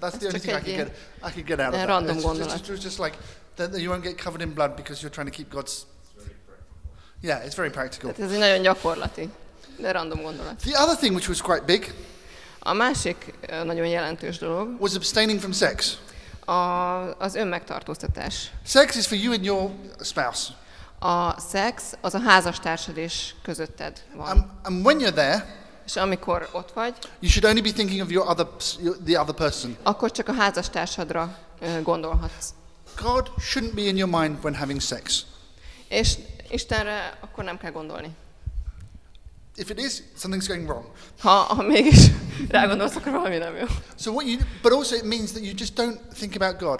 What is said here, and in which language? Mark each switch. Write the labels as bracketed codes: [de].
[en] That's the only thing I could get out of that. [hu] Random gondolat. [en] Just like, that you won't get covered in blood because you're trying to keep God's... Yeah, it's very practical. [hu] Ez egy nagyon gyakorlati, de random gondolat. [en] The other thing which was quite big... [hu] A másik nagyon jelentős dolog... [en] Was abstaining from sex. [hu] Az önmegtartóztatás. [en] Sex is for you and your spouse. [hu] A sex az a házastársad és közötted van. [en] And when you're there... [hu] És amikor ott vagy... [en] You should only be thinking of the other person. [hu] Akkor csak a házastársadra gondolhatsz. [en] God shouldn't be in your mind when having sex. [hu] És Istenre akkor nem kell gondolni. [en] If it is, something's going wrong. [hu] Ha mégis rágondolsz, akkor valami nem jó. [en] So what you, but also it means that you just don't think about God.